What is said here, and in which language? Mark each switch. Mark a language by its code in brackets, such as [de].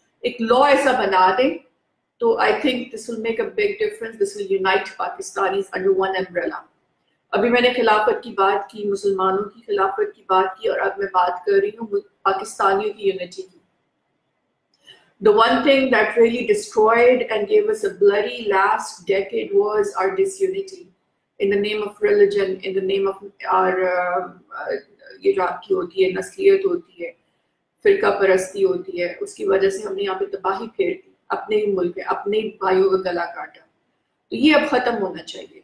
[ur] ایک لا ایسا بنا دیں تو [en] I think this will make a big difference, this will unite Pakistanis under one umbrella. [ur] ابھی میں نے خلافت کی بات کی، مسلمانوں کی خلافت کی بات کی، اور اب میں بات کر رہی ہوں پاکستانیوں کی یونٹی کی. [en] The one thing that really destroyed and gave us a bloody last decade was our disunity in the name of religion, in the name of our [ur] یہ جو آپ کی ہوتی ہے نسلیت ہوتی ہے، فرقہ پرستی ہوتی ہے، اس کی وجہ سے ہم نے یہاں پہ تباہی پھیر دی. اپنے ہی ملک میں اپنے ہی بھائیوں کا گلا کاٹا. تو یہ اب ختم ہونا چاہیے.